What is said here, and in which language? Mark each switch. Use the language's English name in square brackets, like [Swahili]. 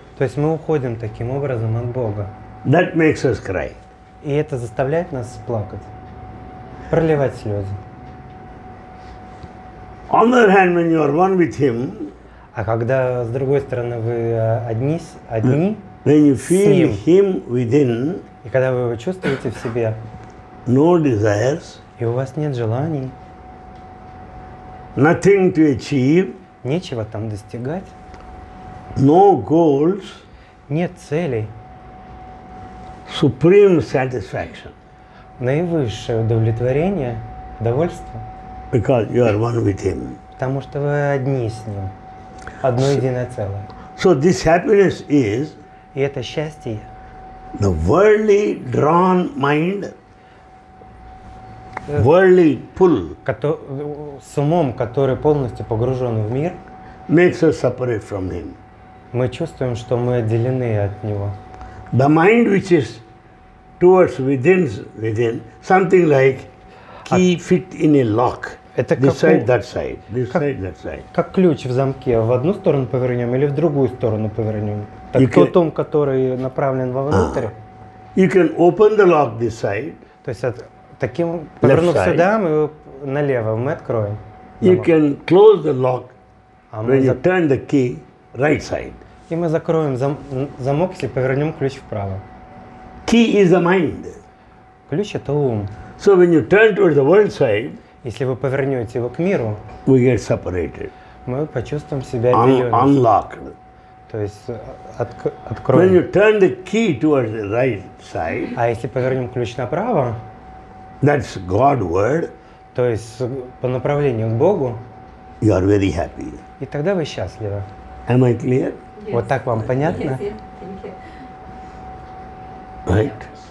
[Russian] То есть мы уходим таким образом от Бога. [English] That makes us cry. [Russian] И это заставляет нас плакать, проливать слезы. [English] On the other hand, when you are one with Him, [Russian] а когда с другой стороны вы одни, [English] when you feel Him within, [Russian] и когда вы его чувствуете в себе, [English] no desires, [Russian] и у вас нет желаний, [English] nothing to achieve. [Russian] Нечего там достигать. [English] No goals. [Russian] Нет целей. [English] Supreme satisfaction. [Russian] Наивысшее удовлетворение, довольство. [English] Because you are one with Him. [Russian] Потому что вы одни с Ним. Одно единое целое. [English] So this happiness is. [Russian] И это счастье. [English] The worldly drawn mind. Worldly pull, [Russian] с умом, который полностью погружен в мир, [English] makes us separate from Him. [Russian] Мы чувствуем, что мы отделены от Него. [English] The mind, which is towards within, something like key fit in a lock. [Russian] Это [English] this side, that side, this [Russian] как, [English] side, that side. [Russian] Как ключ в замке, в одну сторону повернем или в другую сторону повернем? Так тот ум, который направлен вовнутрь. [English] You can open the lock this side. [Russian] То есть от таким, повернув сюда, мы налево, мы откроем. [English] You can close the lock when you turn the key right side. [Russian] И мы закроем замок, если повернем ключ вправо. [English] Key is the mind. [Russian] Ключ – это ум. [English] So when you turn towards the world side, [Russian] если вы повернете его к миру, [English] we get separated. [Russian] Мы почувствуем себя отделенными. [English] Unlocked. [Russian] То есть откроем. [English] When you turn the key towards the right side, [Russian] а если повернем ключ направо, [English] that's God word. [Russian] То есть по направлению к Богу. [English] You are very happy. [Russian] И тогда вы счастливы. [English] Am I clear? Yes. [Russian] Вот так вам понятно? [English] Yes, yes. Right.